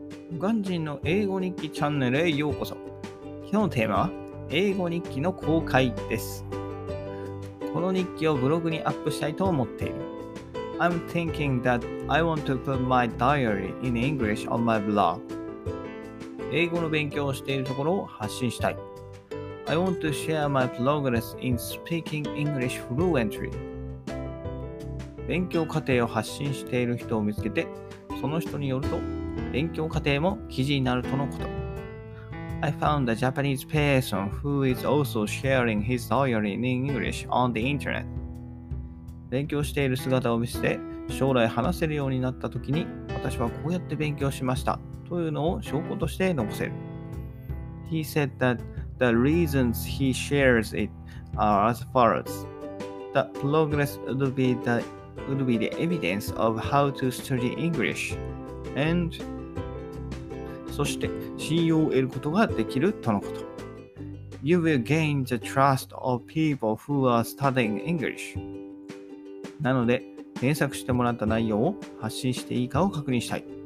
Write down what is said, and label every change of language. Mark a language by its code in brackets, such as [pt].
[ja] 右岸人の英語日記チャンネルへようこそ。今日のテーマは英語日記の公開です。この日記をブログにアップしたいと思っている。 [en] I'm thinking that I want to put my diary in English on my blog。 [ja] 英語の勉強をしているところを発信したい。 [en] I want to share my progress in speaking English fluently。 [ja] 勉強過程を発信している人を見つけて、その人によると勉強過程も記事になるとのこと。 [en] I found a Japanese person who is also sharing his diary in English on the internet。 [ja] 勉強している姿を見せて将来話せるようになった時に、私はこうやって勉強しましたというのを証拠として残せる。 [en] He said that the reasons he shares it are as follows。 The progress would be the evidence of how to study English and [ja] そして信用を得ることができるとのこと。 [en] You will gain the trust of people who are studying English。 [ja] なので検索してもらった内容を発信していいかを確認したい。